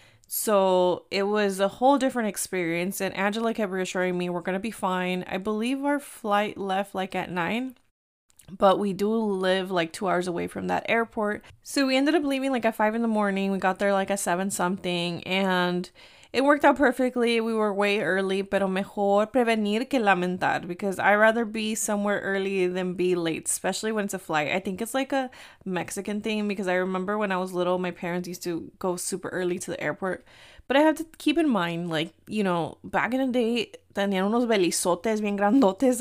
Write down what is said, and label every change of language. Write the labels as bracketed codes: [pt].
[en] So it was a whole different experience, and Angela kept reassuring me we're going to be fine. I believe our flight left like at 9. But we do live like 2 hours away from that airport. So we ended up leaving like at 5 in the morning. We got there like at 7 something. And it worked out perfectly. We were way early. [es] Pero mejor prevenir que lamentar. [en] Because I'd rather be somewhere early than be late. Especially when it's a flight. I think it's like a Mexican thing. Because I remember when I was little, my parents used to go super early to the airport. But I have to keep in mind, like, you know, back in the day, [es] tenían unos belizotes bien grandotes.